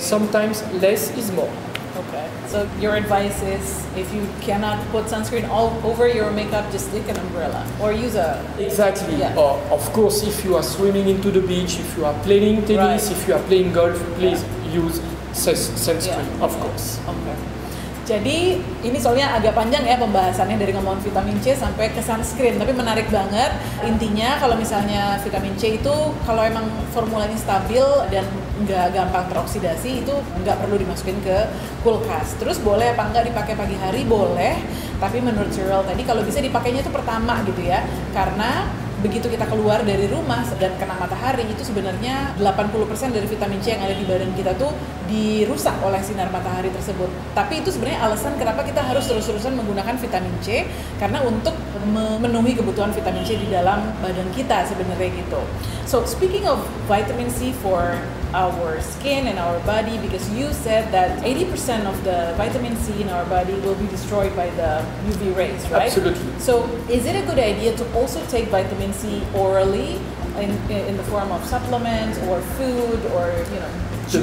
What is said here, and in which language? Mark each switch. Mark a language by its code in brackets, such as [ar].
[en] Sometimes less is more. Okay. So your advice is, if you cannot put sunscreen all over your makeup, just take an umbrella or use a... Exactly. Yeah. Or, of course, if you are swimming into the beach, if you are playing tennis, right, if you are playing golf, please use sunscreen, yeah, of course. Okay. [id] Jadi ini soalnya agak panjang ya pembahasannya, dari ngomongin vitamin C sampai ke sunscreen, tapi menarik banget. Intinya kalau misalnya vitamin C itu kalau emang formulanya stabil dan nggak gampang teroksidasi, itu nggak perlu dimasukin ke kulkas. Terus boleh apa nggak dipakai pagi hari? Boleh, tapi menurut Cheryl tadi kalau bisa dipakainya itu pertama gitu ya, karena begitu kita keluar dari rumah dan kena matahari, itu sebenarnya 80% dari vitamin C yang ada di badan kita tuh dirusak oleh sinar matahari tersebut. Tapi itu sebenarnya alasan kenapa kita harus terus-terusan menggunakan vitamin C, karena untuk memenuhi kebutuhan vitamin C di dalam badan kita sebenarnya gitu. [en] So speaking of vitamin C for our skin and our body, because you said that 80% of the vitamin C in our body will be destroyed by the UV rays, right? Absolutely. So is it a good idea to also take vitamin C orally in the form of supplements or food or, you know, juices?